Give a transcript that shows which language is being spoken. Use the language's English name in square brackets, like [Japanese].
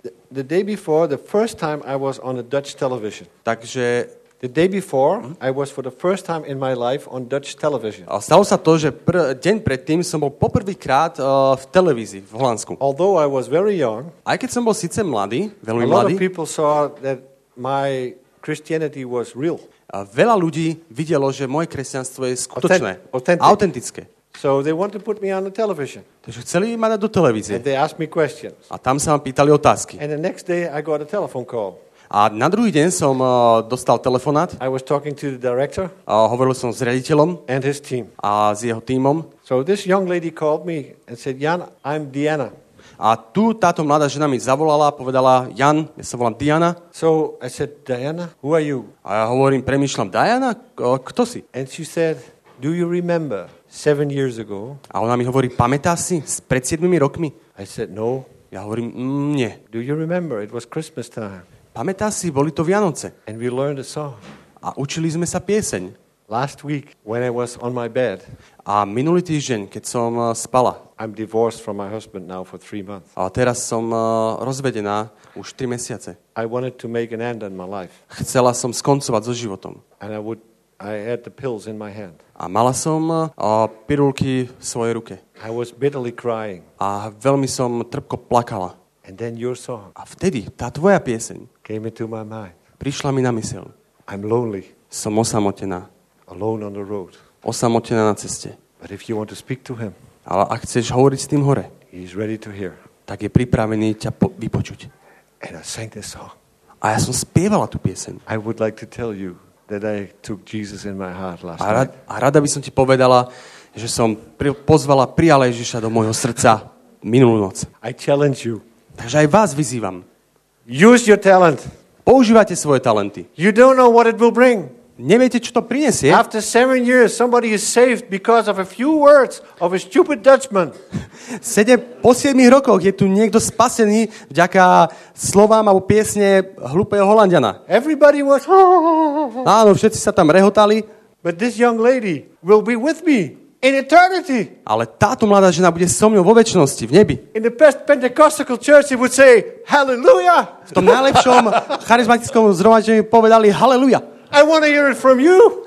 [English] The day before, the first time I was on a Dutch television. [Slovak] Takže [English] the day before, I was for the first time in my life on Dutch television. [Slovak] A stalo sa to, že deň predtým som bol poprvýkrát v televízii v Holandsku. [English] Although I was very young, [Slovak] aj keď som bol síce mladý, veľmi mladý, [English] a lot of people saw that my Christianity was real. [Slovak] A veľa ľudí videlo, že moje kresťanstvo je skutočné, autentické. [English] So they wanted to put me on the television. [Slovak] Takže chceli ma dať do televízie. [English] And they asked me questions. [Slovak] A tam sa ma pýtali otázky. [English] And the next day I got a telephone call. [Slovak] A na druhý deň som dostal telefonát. [English] I was talking to the director. [Slovak] Hovoril som s riaditeľom. [English] And his team. [Slovak] A s jeho tímom. [English] So this young lady called me and said, Jan, I'm Diana. [Slovak] A tu táto mladá žena mi zavolala a povedala, Jan, ja sa volám Diana. [English] So I said, Diana, who are you? [Slovak] A ja hovorím, premýšľam, Diana, kto si? [English] And she said, do you remember 7 years ago? [Slovak] A ona mi hovorí, pamätáš si pred 7 rokmi? [English] I said, no. [Slovak] Ja hovorím, nie. [English] Do you remember? It was Christmas time. [Slovak] Pamätáš si, boli to Vianoce. [English] And we learned a song. [Slovak] A učili sme sa pieseň. [English] Last week, when I was on my bed. [Slovak] A minulý týždeň, keď som spala. [English] I'm divorced from my husband now for 3 months. [Slovak] A teraz som rozvedená už 3 mesiace. [English] I wanted to make an end in my life. [Slovak] Chcela som skoncovať so životom. [English] And I had the pills in my hand. [Slovak] A mala som pirulky v svojej ruke. [English] I was bitterly crying. [Slovak] A veľmi som trpko plakala. [English] And then your song. [Slovak] A vtedy tá tvoja pieseň [English] came into my mind. [Slovak] Prišla mi na myseľ. [English] I'm lonely. [Slovak] Som osamotená. [English] Alone on the road. [Slovak] Osamotená na ceste. [English] But if you want to speak to him. [Slovak] Ale ak chceš hovoriť s tým hore. [English] He's ready to hear. [Slovak] tak je pripravený ťa vypočuť. [English] And I sang this song. [Slovak] A ja som spievala tú pieseň. [English] I would like to tell you that I took Jesus in my heart last night. [Slovak] A rada by som ti povedala, že som pozvala, prijala Ježiša do môjho srdca minulú noc. [English] I challenge you. [Slovak] Takže aj vás vyzývam. [English] Use your talent. [Slovak] Používajte svoje talenty. [English] You don't know what it will bring. [Slovak] Neviete, čo to prinesie. [English] After 7 years somebody is saved because of a few words of a stupid Dutchman. [Slovak] Po 7 rokoch je tu niekto spasený vďaka slovám alebo piesne hlúpeho Holandiana. [English] Everybody was [Slovak] Áno, všetci sa tam rehotali. [English] But this young lady will be with me in eternity. [Slovak] Ale táto mladá žena bude so mnou vo večnosti v nebi. [English] In the best Pentecostal church would say hallelujah. [Slovak] V tom najlepšom charizmatickom zhromaždení povedali hallelujah. [English] I want to hear it from you.